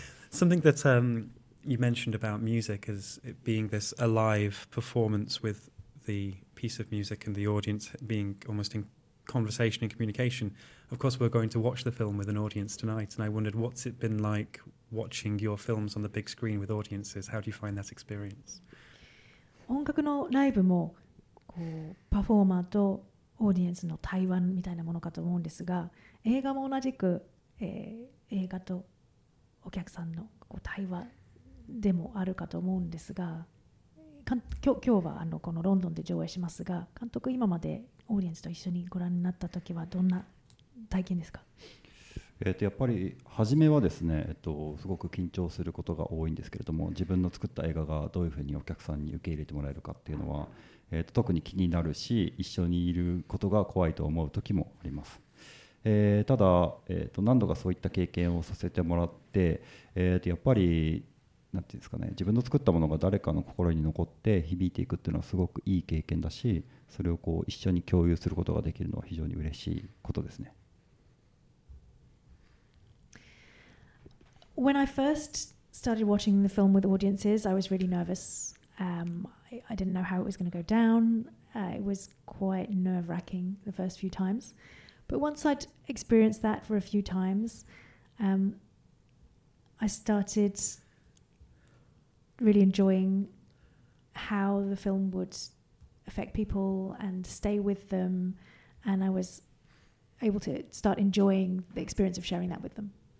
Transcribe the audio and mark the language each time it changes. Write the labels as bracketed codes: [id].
[en] Something that you mentioned about music is it being this alive performance with the piece of music and the audience being almost in conversation and communication. Of course, we're going to watch the film with an audience tonight, and I wondered what's it been like watching your films on the big screen with audiences. How do you find that experience? [ja] 音楽のライブもこうパフォーマーとオーディエンスの対話みたいなものかと思うんですが、映画も同じく、映画とお客さんのこう対話でもあるかと思うんですが、今日はこのロンドンで上映しますが、監督今までオーディエンスと一緒にご覧になった時はどんな体験ですか？やっぱり初めはですね、すごく緊張することが多いんですけれども、自分の作った映画がどういうふうにお客さんに受け入れてもらえるかっていうのは、特に気になるし、一緒にいることが怖いと思う時もあります。ただ、何度かそういった経験をさせてもらって、やっぱりなんていうんですかね、自分の作ったものが誰かの心に残って響いていくっていうのはすごくいい経験だし、それをこう一緒に共有することができるのは非常に嬉しいことですね。 [en] When I first started watching the film with audiences, I was really nervous. I didn't know how it was going to go down. It was quite nerve-wracking the first few times. But once I'd experienced that for a few times, I started really enjoying how the film would affect people and stay with them, and I was able to start enjoying the experience of sharing that with them.